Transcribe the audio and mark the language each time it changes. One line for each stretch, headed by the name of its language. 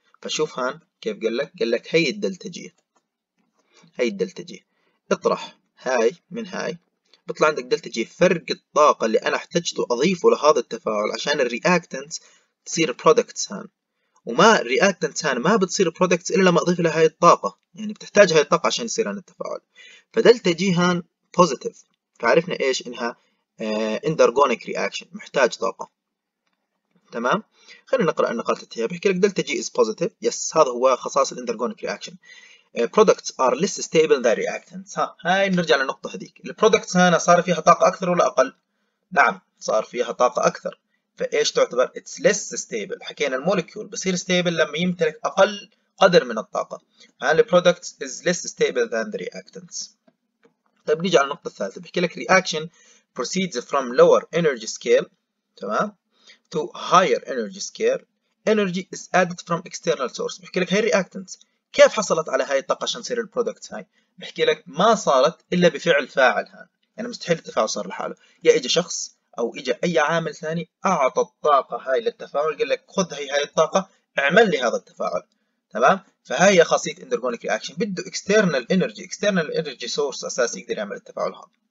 Arabic: فشوف هان كيف قال لك، قال لك هي الدلتا جي، هي الدلتا جي، اطرح هاي من هاي بيطلع عندك دلتا جي، فرق الطاقه اللي انا احتجته اضيفه لهذا التفاعل عشان الرياكتنتس تصير برودكتس هان، وما الرياكتنتس هان ما بتصير برودكتس الا لما اضيف لها هاي الطاقه، يعني بتحتاج هاي الطاقه عشان يصير عندنا التفاعل. فدلتا جي هان بوزيتيف، فعرفنا ايش انها اندرجونيك رياكشن، محتاج طاقه. تمام، خلينا نقرا النقاط التاليه. بحكي لك
English: delta G is positive,
Arabic: يس هذا هو خصائص الاندرجونيك رياكشن.
English: Products are less stable than reactants.
Arabic: ها هاي نرجع للنقطة هذيك. The products هنا صار فيها طاقة أكثر ولا أقل؟ نعم صار فيها طاقة أكثر. فإيش تعتبر؟
English: It's less stable.
Arabic: حكينا المولكيول بصير stable لما يمتلك أقل قدر من الطاقة. هاي
English: the products is less stable than the reactants.
Arabic: طيب نيجي على النقطة الثالثة. بحكي لك
English: reaction proceeds from lower energy scale.
Arabic: تمام؟
English: To higher energy scale. Energy is added from external source.
Arabic: بحكي لك هاي reactants. كيف حصلت على هاي الطاقة عشان تصير البرودكت هاي؟ بحكي لك ما صارت إلا بفعل فاعل هان، يعني مستحيل التفاعل صار لحاله، يا إجا شخص أو إجا أي عامل ثاني أعطى الطاقة هاي للتفاعل، قال لك خذ هاي الطاقة اعمل لي هذا التفاعل، تمام؟ فهاي هي خاصية اندرجونيك رياكشن، بده اكسترنال انرجي، اكسترنال انرجي سورس أساسي يقدر يعمل التفاعل هذا.